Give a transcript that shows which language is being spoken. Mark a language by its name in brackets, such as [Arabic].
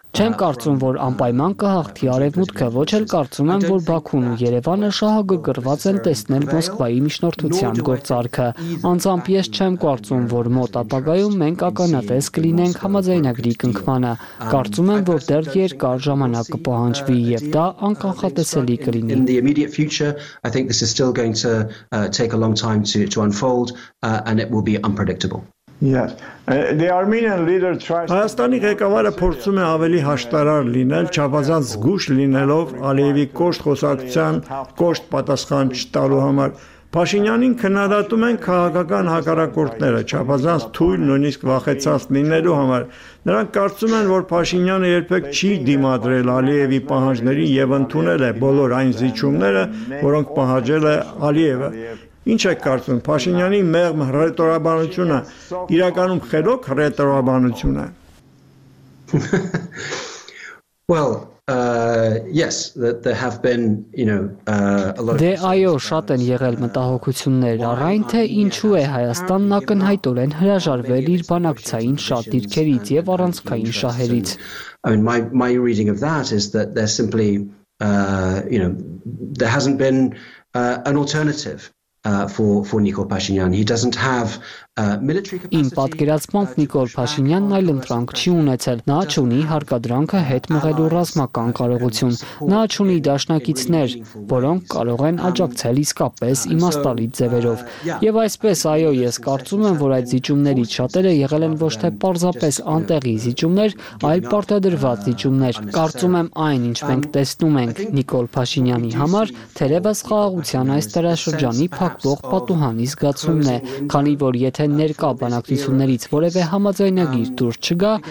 [Armenian] Չեմ կարծում, որ անպայման կհաղթի Արևմուտքը, ոչ էլ կարծում եմ, որ Բաքուն ու Երևանը շահագրգռված են տեսնել Մոսկվայի միջնորդության գործարքը։ Անձամբ ես չեմ կարծում, որ մոտ ապագայում մենք ականատես կլինենք համաձայնագրի կնքմանը։ Կարծում եմ, որ դեռ երկար ժամանակ կպահանջվի, և դա անկանխատեսելի կլինի։ [English] In the immediate future, I think this is still going to take a long time to unfold and it will be unpredictable. Yes. The Armenian leader tries [Armenian] Հայաստանի ղեկավարը փորձում է ավելի հաշտարար լինել, չափազանց զգուշ լինելով Ալիևի կոշտ խոսակցության կոշտ պատասխան չտալու համար։ Փաշինյանին քննադատում են քաղաքական հակառակորդները, չափազանց թույլ նույնիսկ վախեցած լինելու համար։ Նրանք կարծում են, որ Փաշինյանը երբեք չի դիմադրել Ալիևի պահանջներին և ընդունել է բոլոր այն զիջումները, որոնք պահանջել է Ալիևը։ Ինչ եք կարծում, Փաշինյանի մեղմ ռետորաբանությունը իրականում խելոք ռետորաբանություն է։ [English] Well, yes, there have been, you know, a lot of [Armenian] Դե այո, շատ են եղել մտահոգություններ, առայն թե ինչու է Հայաստանն ակնհայտորեն հրաժարվել իր բանակցային շատ դիրքերից եւ առանցքային շահերից։ [English] I mean, my reading of that is that there's simply you know, there hasn't been an alternative. For Nikol Pashinyan, he doesn't have military capacity. [Armenian] Իմ պատկերացմամբ Նիկոլ Փաշինյանն այլ ընտրանք չի ունեցել։ Նա չունի հարկադրանքը հետ մղելու ռազմական կարողություն։ Նա չունի դաշնակիցներ, որոնք կարող են աջակցել իսկապես իմաստալի ձևերով։ Եվ այսպես, այո, ես կարծում եմ, որ այդ զիջումներից շատերը եղել են ոչ թե պարզապես անտեղի զիջումներ, այլ պարտադրված զիջումներ։ Կարծում եմ, այն, ինչ մենք տեսնում ենք Նիկոլ Փաշինյանի համար, թերևս խաղաղության այս դարաշրջանի փակվող պատուհանի զգացումն է, քանի որ եթե ներկա բանակցություններից որևէ համաձայնագիր դուրս չգա,